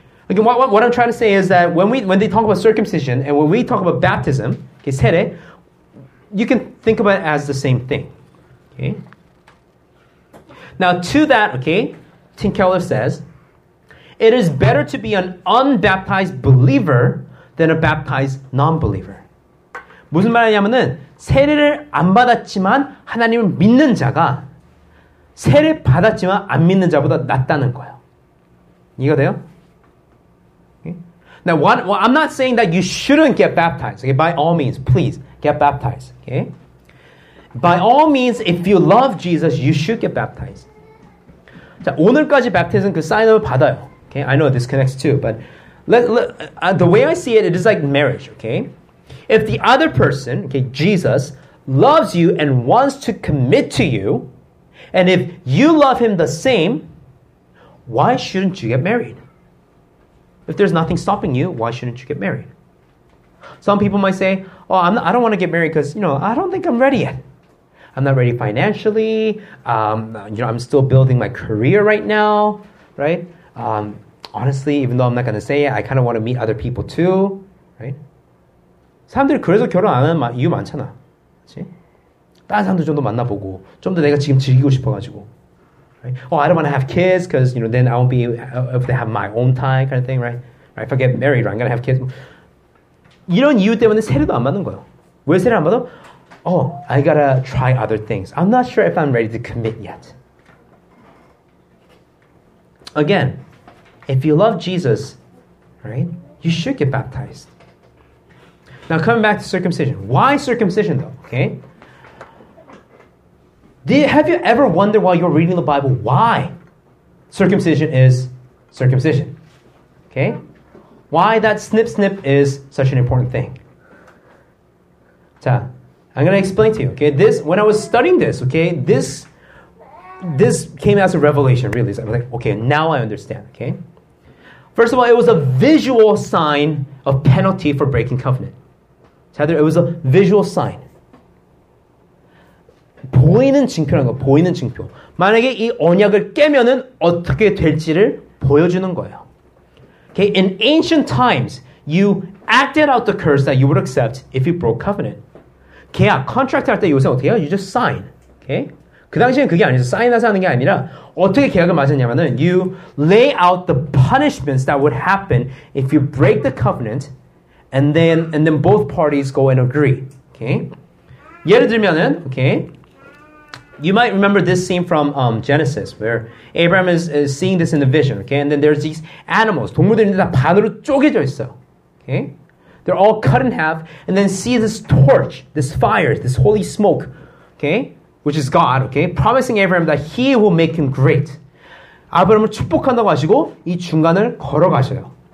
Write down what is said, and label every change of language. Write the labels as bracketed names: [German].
[English] Okay, what I'm trying to say is that when they talk about circumcision and when we talk about baptism, okay, 세례, you can think about it as the same thing. Okay. Now to that, okay, Tim Keller says, it is better to be an unbaptized believer than a baptized non-believer. [Korean] 무슨 말이냐면은 세례를 안 받았지만 하나님을 믿는 자가 세례 받았지만 안 믿는 자보다 낫다는 거야. 이해가 돼요? Okay. [English] Now, I'm not saying that you shouldn't get baptized. Okay, by all means, please get baptized. Okay, by all means, if you love Jesus, you should get baptized. [Korean] 자, 오늘까지 baptism 그 sign-up을 받아요. [English] Okay, I know this connects too, but the way I see it, it is like marriage. Okay, if the other person, okay, Jesus, loves you and wants to commit to you, and if you love him the same, why shouldn't you get married? If there's nothing stopping you, why shouldn't you get married? Some people might say, oh, I don't want to get married because, you know, I don't think I'm ready yet. I'm not ready financially. You know, I'm still building my career right now, right? Honestly, even though I'm not going to say it, I kind of want to meet other people too, right? [Korean] 사람들이 그래서 결혼 안 하는 이유 많잖아. 그치? 다른 사람도 좀 더 만나보고, 좀 더 내가 지금 즐기고 싶어가지고. [English] Oh, I don't want to have kids because, you know, then I won't be able to have my own time kind of thing, right? Right? If I get married, right, I'm going to have kids. [Korean] 이런 이유 때문에 세례도 안 받는 거예요. 왜 세례 안 받아? [English] Oh, I got to try other things. I'm not sure if I'm ready to commit yet. Again, if you love Jesus, right, you should get baptized. Now, coming back to circumcision. Why circumcision, though? Okay. Have you ever wondered while you're reading the Bible why circumcision is circumcision? Okay? Why that snip-snip is such an important thing? 자, I'm going to explain to you. Okay, this when I was studying this, okay, this came as a revelation, really. So I'm like, okay, now I understand. Okay? First of all, it was a visual sign of penalty for breaking covenant. It was a visual sign. [Korean] 보이는 징표라는 거, 보이는 징표. 만약에 이 언약을 깨면은 어떻게 될지를 보여주는 거예요. [English] Okay, in ancient times, you acted out the curse that you would accept if you broke covenant. [Korean] 계약, contract 할 때 요새 어떻게 해요? [English] You just sign. [Korean] Okay? 그 당시에는 그게 아니죠. 사인해서 하는 게 아니라 어떻게 계약을 맞았냐면은 [English] you lay out the punishments that would happen if you break the covenant and then both parties go and agree. Okay? [Korean] 예를 들면은 okay? [English] You might remember this scene from Genesis where Abraham is seeing this in the vision, okay? And then there's these animals. [Korean] 동물들인데 다 반으로 쪼개져 있어. [English] Okay? They're all cut in half and then see this torch, this fire, this holy smoke. Okay? Which is God, okay? Promising Abraham that he will make him great. [Korean] 아브라함을 축복한다고 하시고 이 중간을 걸어가셔요.